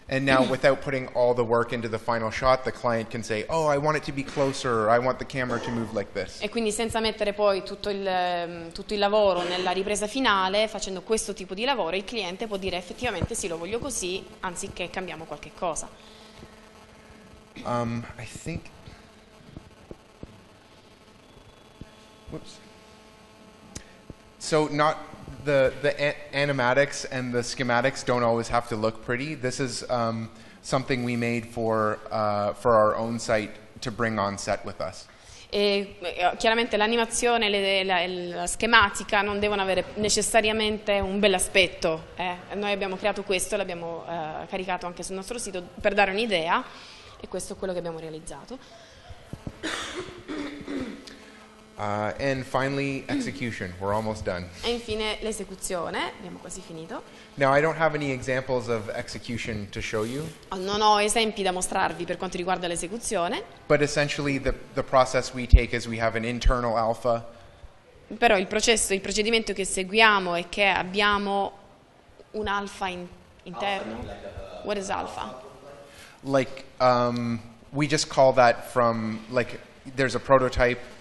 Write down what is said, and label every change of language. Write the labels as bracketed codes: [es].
[en] And now, without putting all the work into the final shot, the client can say, "Oh, I want it to be closer. Or I want the camera to move like this." [it] E quindi, senza mettere poi tutto il lavoro nella ripresa finale, facendo questo tipo di lavoro, il cliente può dire effettivamente sì, lo voglio così, anziché cambiamo qualche cosa. [en] I think. Whoops. So not. The animatics and the schematics don't always have to look pretty. This is something we made for our own site to bring on set with us. [it] E chiaramente l'animazione e la schematica non devono avere necessariamente un bel aspetto. Noi abbiamo creato questo, l'abbiamo caricato anche sul nostro sito per dare un'idea, e questo è quello che abbiamo realizzato. [en] And finally, execution. We're almost done. [it] E infine l'esecuzione. Abbiamo quasi finito. [en] Now I don't have any examples of execution to show you. [it] Non ho esempi da mostrarvi per quanto riguarda l'esecuzione. [en] But essentially, the process we take is we have an internal alpha. [it] Però il procedimento che seguiamo è che abbiamo un alpha interno. [en] What is alpha? Like we just call that from like there's a prototype.